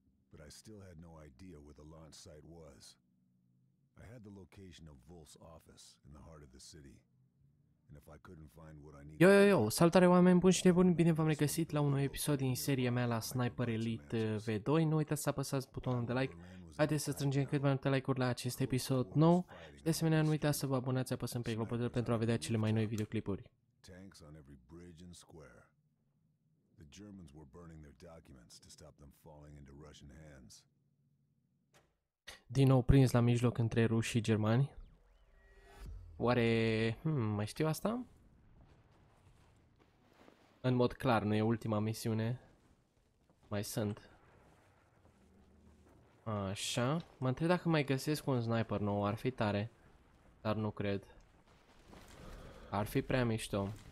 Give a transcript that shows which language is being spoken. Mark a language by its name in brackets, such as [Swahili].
[English] But I still had no idea where the launch site was. I had the location of Wolf's office in the heart of the city. And if I couldn't find what I needed... [Romanian] Yo, salutare oameni buni și nebuni, bine v-am regăsit la un nou episod din seria mea la Sniper Elite V2. Nu uitați să apăsați butonul de like. Haideți să strângem cât mai multe like-uri la acest episod nou. De asemenea, nu uitați să vă abonați apăsând pe clopoțel pentru a vedea cele mai noi videoclipuri. [English] Tanks on every bridge and square. The Germans were burning their documents to stop them falling into Russian hands. [Romanian] Din nou prins la mijloc între ruși și germani. Oare, mai știu asta? În mod clar, nu e ultima misiune. Mai sunt. Așa, mă întreb dacă mai găsesc un sniper nou, ar fi tare. Dar nu cred. Ar fi prea mișto.